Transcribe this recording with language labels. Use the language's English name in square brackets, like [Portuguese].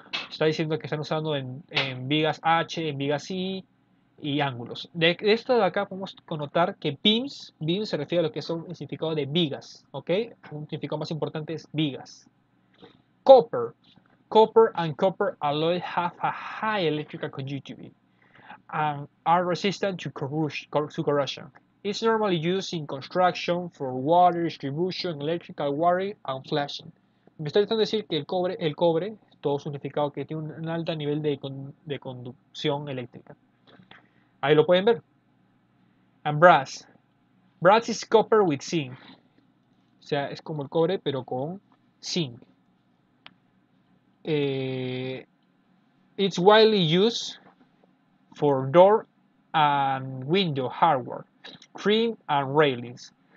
[Spanish] Está diciendo que están usando en vigas H, en vigas I y ángulos. De esto de acá podemos connotar que beams se refiere a lo que son el significado de vigas, ¿ok? Un significado más importante es vigas. Copper. [English] Copper and copper alloy have a high electrical conductivity and are resistant to corrosion. is normally used in construction for water distribution, electrical wiring, and flashing. [Spanish] Me está tratando de decir que el cobre, todo significado que tiene un alto nivel de conducción eléctrica. Ahí lo pueden ver. And brass. [English] Brass is copper with zinc. [Spanish] O sea, es como el cobre, pero con zinc. [English] It's widely used for door and window hardware, trim and railings.